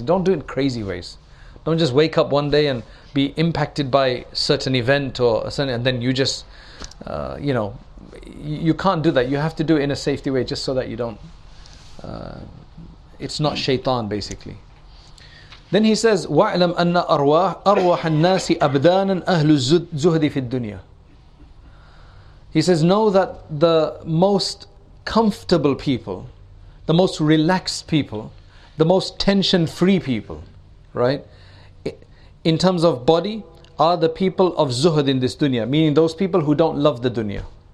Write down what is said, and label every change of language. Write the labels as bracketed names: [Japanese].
[English] Don't do it in crazy ways. Don't just wake up one day and be impacted by a certain event or a certain, and then you just, you know, you can't do that. You have to do it in a safety way, just so that you don't, it's not shaitan basically. Then he says, [Arabic] وَعْلَمْ أَنَّ أَرْوَاحَ النَّاسِ أَبْدَانًا أَهْلُ الزُّهْدِ فِي الدُّنْيَا. [English] He says, know that the most comfortable people, the most relaxed people, the most tension-free people, right, in terms of body, are the people of zuhd in this dunya, meaning those people who don't love the dunya.